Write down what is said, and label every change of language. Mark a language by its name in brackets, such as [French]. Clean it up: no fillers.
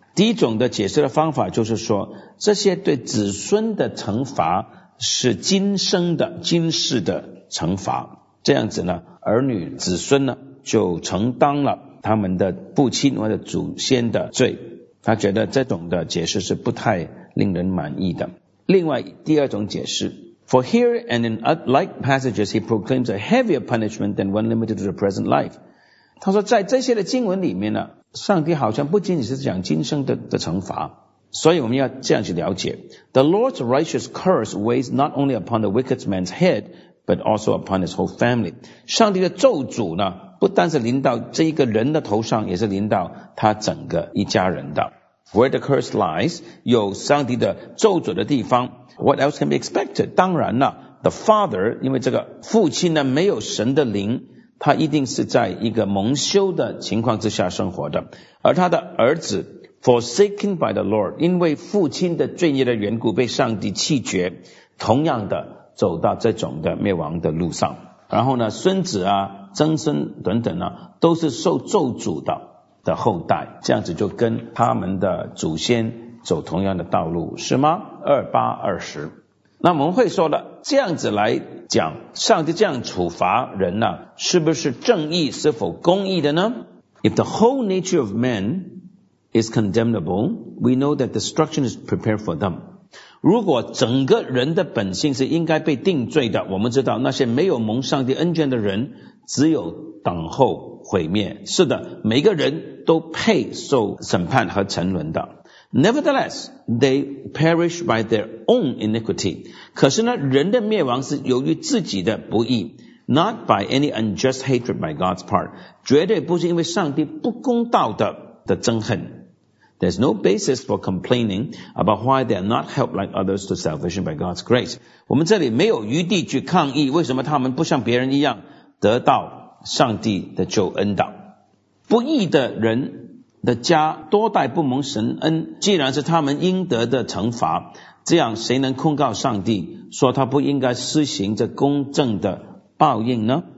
[Chinese] 第一种的解释的方法就是说，这些对子孙的惩罚是今生的、今世的惩罚，这样子呢，儿女、子孙呢，就承担了他们的父亲或者祖先的罪。他觉得这种的解释是不太令人满意的。另外，第二种解释， [English] For here and in like passages, he proclaims a heavier punishment than one limited to the present life. [Chinese] 他说在这些的经文里面呢，上帝好像不仅仅是讲今生 的惩罚，所以我们要这样去了解。 [English] The Lord's righteous curse weighs not only upon the wicked man's head, but also upon his whole family. [Chinese] 上帝的咒诅呢，不但是临到这一个人的头上，也是临到他整个一家人的。 [English] Where the curse lies, [Chinese] 有上帝的咒诅的地方。 [English] What else can be expected? [Chinese] 当然了 , [English] the father, [Chinese] 因为这个父亲呢没有神的灵，他一定是在一个蒙羞的情况之下生活的。而他的儿子 , [English] forsaken by the Lord, [Chinese] 因为父亲的罪孽的缘故被上帝弃绝，同样的走到这种的灭亡的路上。然后呢孙子啊曾孙等等呢、啊、都是受咒诅的后代，这样子就跟他们的祖先走同样的道路，是吗？二八二十。那我们会说了，这样子来讲，上帝这样处罚人呢、啊、是不是正义，是否公义的呢？ [English] If the whole nature of man is condemnable, we know that destruction is prepared for them. [Chinese] 如果整个人的本性是应该被定罪的，我们知道那些没有蒙上帝恩眷的人只有等候毁灭。是的，每个人都配受审判和沉沦的。 [English] Nevertheless, they perish by their own iniquity. [Chinese] 可是呢，人的灭亡是由于自己的不义， [English] not by any unjust hatred by God's part. [Chinese] 绝对不是因为上帝不公道的憎恨。 [English] There's no basis for complaining about why they are not helped like others to salvation by God's grace. [Chinese] 我们这里没有余地去抗议，为什么他们不像别人一样得到上帝的救恩的。不义的人的家多代不蒙神恩，既然是他们应得的惩罚，这样谁能控告上帝说他不应该施行这公正的报应呢？